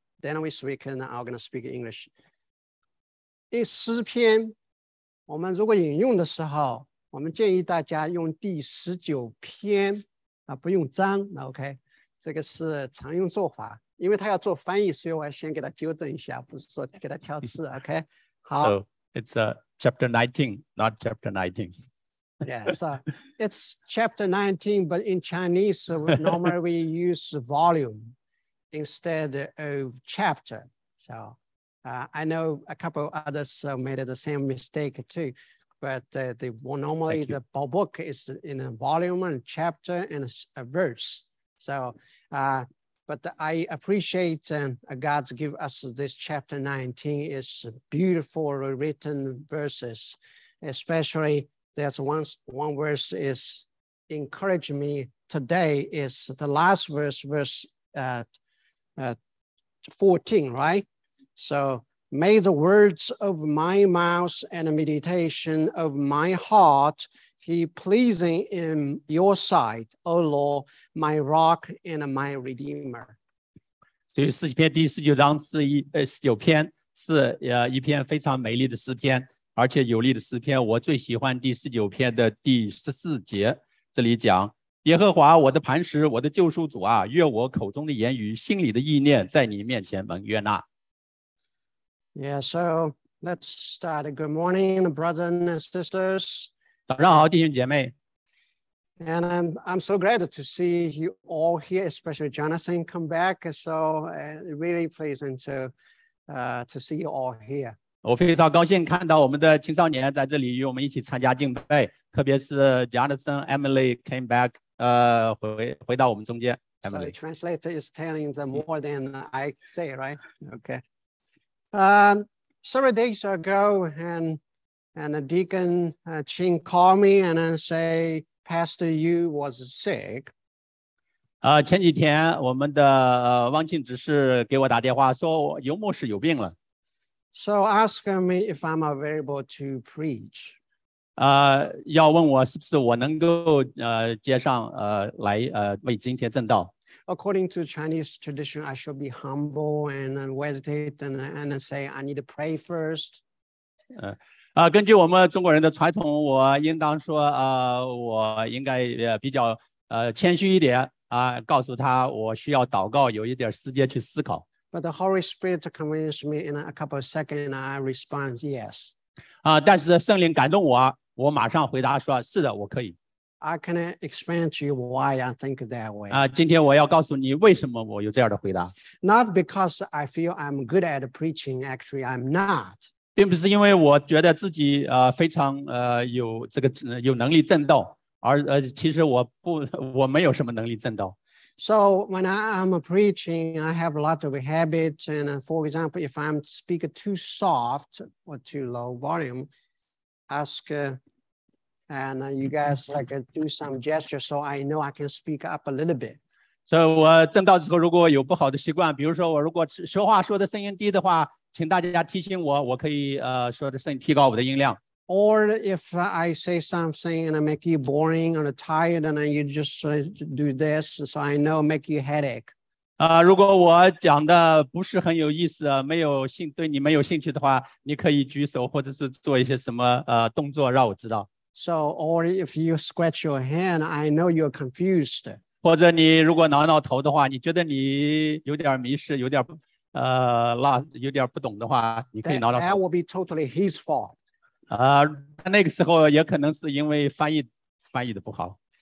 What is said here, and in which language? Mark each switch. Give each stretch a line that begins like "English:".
English: Then we speak, and I'm gonna speak English.
Chinese: 第十篇，我们如果引用的时候，我们建议大家用第十九篇。不用章，那 OK，这个是常用做法，因为他要做翻译，所以我要先给他纠正一下，不是说给他挑刺，OK，好。
English: So it's chapter 19, not chapter 19. Yes，it's chapter 19, but in Chinese normally we use volume instead of chapter. So I know a couple others made the same mistake too. But Thank normally you. the book is in a volume and chapter and a verse. So, but I appreciate God's give us this chapter 19. It's beautiful written verses, especially there's one verse is encourage me today is the last verse 14, right? So. May the words of my mouth and the meditation of my heart be pleasing in your sight, O Lord, my rock and my redeemer.
Chinese: 所以诗篇第十九章是十九篇是一篇非常美丽的诗篇，而且有力的诗篇。我最喜欢第十九篇的第十四节，这里讲：耶和华，我的磐石，我的救赎主啊，愿我口中的言语、心里的意念，在你面前蒙悦纳。
English: Yeah, so let's start. Good morning, brothers and sisters.
Chinese: 早上好，弟兄姐妹。
English: And I'm so glad to see you all here, especially Jonathan come back. So really pleasing to see you all here.
Chinese: 我非常高兴看到我们的青少年在这里与我们一起参加敬拜，特别是 Jonathan Emily
English: came back，
Chinese: 回到我们中间。
English: So the translator is telling them more than I say, right? Okay. Several days ago, and the deacon Ching called me and say Pastor Yu was sick.
Chinese: 前几天我们的汪庆执事给我打电话说尤牧师有病了。
English: So ask me if I'm available to preach.
Chinese: 要问我是不是我能够接上来为今天证道。
English: According to Chinese tradition, I should be humble and meditate and say I need to pray first.
Chinese: 根据我们中国人的传统，我应当说我应该比较谦虚一点告诉他我需要祷告，有一点时间去思考。
English: But the Holy Spirit convinced me in a couple of seconds, and I respond yes.
Chinese: 但是圣灵感动我，我马上回答说是的，我可以。
English: I can explain to you why I think that way.
Chinese: 今天我要告诉你为什么我有这样的回答。
English: Not because I feel I'm good at preaching, actually, I'm not.
Chinese: 并不是因为我觉得自己非常有这个有能力证道，而其实我没有什么能力证道。
English: So when I'm preaching, I have a lot of habits, and for example, if I'm speaking too soft or too low volume, ask. And you guys like do some gesture so I know I can speak up a little bit.
Chinese: So 我正道之后如果有不好的习惯，比如说我如果说话说的声音低的话，请大家提醒我，我可以说的声音提高我的音量。
English: Or if I say something and I make you boring or tired, and then you just do this, so I know make you headache.
Chinese: 如果我讲的不是很有意思，没有兴对你没有兴趣的话，你可以举手或者是做一些什么动作让我知道。
English: So, or if you scratch your hand, I know you're confused.
Chinese: 或者你如果挠挠头的话，你觉得你有点迷失，有点有点不懂的话，你可以挠挠头。
English: That will be totally his fault.
Chinese: 那个时候也可能是因为翻译的不好。